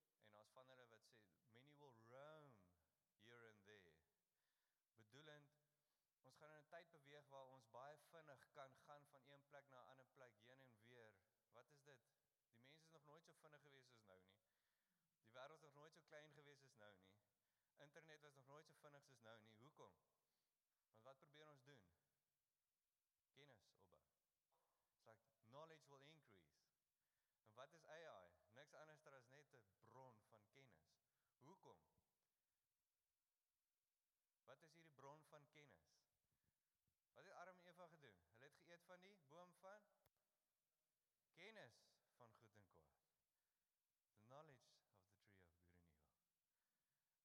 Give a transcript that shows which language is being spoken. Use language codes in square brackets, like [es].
[af] En as van hulle wat sê, [en] many will roam here and there. [af] Bedoelend, ons gaan in 'n tyd beweeg waar ons baie vinnig kan gaan van een plek na 'n ander plek, heen en weer. Wat is dit? Die mens is nog nooit so vinnig gewees as nou nie. Die wêreld is nog nooit so klein gewees as nou nie. Internet was nog nooit so vinnig soos nou nie. Hoekom? Want wat probeer ons doen? Kennis opbou. [en] It's like knowledge will increase. [af] En wat is AI? Niks anders as net 'n bron van kennis. Hoekom? Wat is hierdie bron van kennis? Wat het Adam en Eva gedoen? Hulle het geëet van die boom van kennis van goed en kwaad. [en] The knowledge of the tree of good and evil.